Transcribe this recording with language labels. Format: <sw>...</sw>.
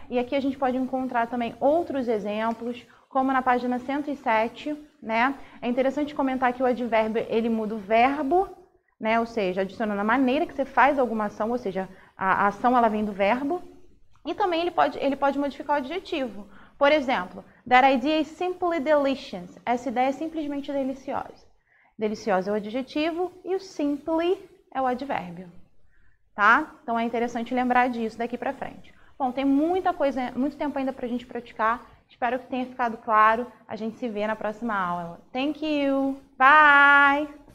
<pt>E aqui a gente pode encontrar também outros exemplos, como na página 107, né? É interessante comentar que o advérbio, ele muda o verbo, né? Ou seja, adicionando a maneira que você faz alguma ação, ou seja, a ação ela vem do verbo. E também ele pode modificar o adjetivo.</pt> <en>Por exemplo, that idea is simply delicious.</en> <pt>Essa ideia é simplesmente deliciosa. Deliciosa é o adjetivo e o simply é o advérbio. Tá? Então é interessante lembrar disso daqui para frente. Bom, tem muita coisa, muito tempo ainda para a gente praticar. Espero que tenha ficado claro. A gente se vê na próxima aula.</pt> <en>Thank you. Bye.</en>